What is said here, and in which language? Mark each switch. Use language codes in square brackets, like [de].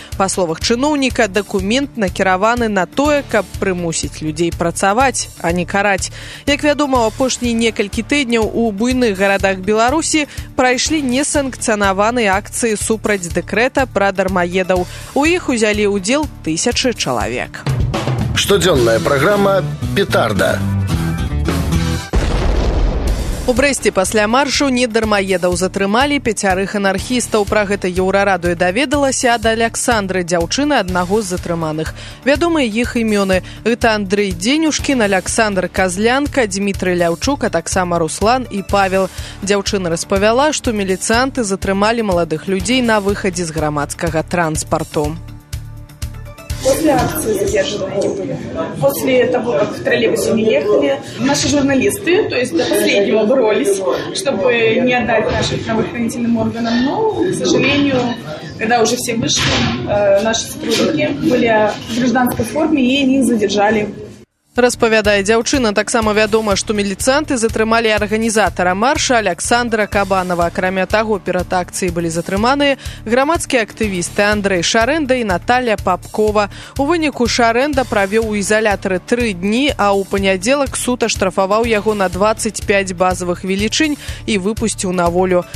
[be] Па словах чыноўніка, дакумент накіраваны на тое, каб прымусіць людзей працаваць, а не караць. Як вядома, ў апошні некалькі тыдняў у буйных гарадах Беларусі прайшлі несанкцыянаваныя акцыі супраць дэкрэта пра дармаедаў. У іх узялі ўдзел 1000 чалавек. Штодзённая праграма «Петарда». У Брэсце пасля маршу недармаедаў затрымалі 5 анархістаў. Пра гэта Еўрарадыё даведалася ад Аляксандры, дзяўчыны аднаго з затрыманых. Вядомыя іх імёны: гэта Андрэй Дзенюшкін, Аляксандр Казлянка, Дмітры Ляўчук, а таксама Руслан і Павел. Дзяўчына распавяла, што міліцыянты затрымалі маладых людзей на выхадзе з грамадскага транспарту. [ru] После акции задержаны они были. После того, как в троллейбусе не ехали, наши журналисты, то есть до последнего боролись, чтобы не отдать нашим правоохранительным органам. Но, к сожалению, когда уже все вышли, наши сотрудники были в гражданской форме и не задержали. [be] Распавядае дзяўчына, таксама вядома, што міліцыянты затрымалі арганізатара марша Аляксандра Кабанова. Акрамя таго, перад акцыяй былі затрыманыя грамадскія актывісты Андрэй Шарэнда і Наталя Папкова. У выніку Шарэнда правёў у ізалятары 3 дні, а ў панядзелак суд аштрафаваў яго на 25 базавых велічынь і выпусціў на волю.